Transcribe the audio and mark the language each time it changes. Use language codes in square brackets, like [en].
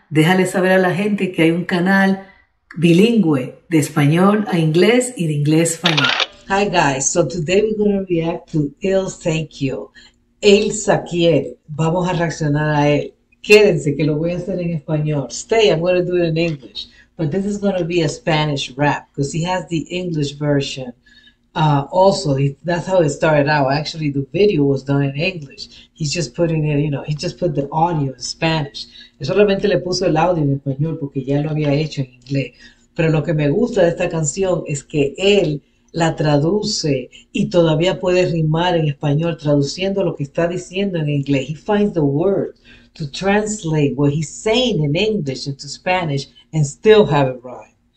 [es] Déjale saber a la gente que hay un canal bilingüe de español a inglés y de inglés a español. [en] Hi guys, so today we're going to react to I.L.L. ZakieL. [es] ZakieL. Vamos a reaccionar a él. Quédense que lo voy a hacer en español. [en] Stay, I'm going to do it in English. But this is going to be a Spanish rap because he has the English version. Also, that's how it started out. Actually, the video was done in English. He's just putting it, you know, he just put the audio in Spanish. [es] Yo solamente le puso el audio en español porque ya lo había hecho en inglés. Pero lo que me gusta de esta canción es que él la traduce y todavía puede rimar en español traduciendo lo que está diciendo en inglés. [en] He finds the word to translate what he's saying in English into Spanish and still have it rhyme.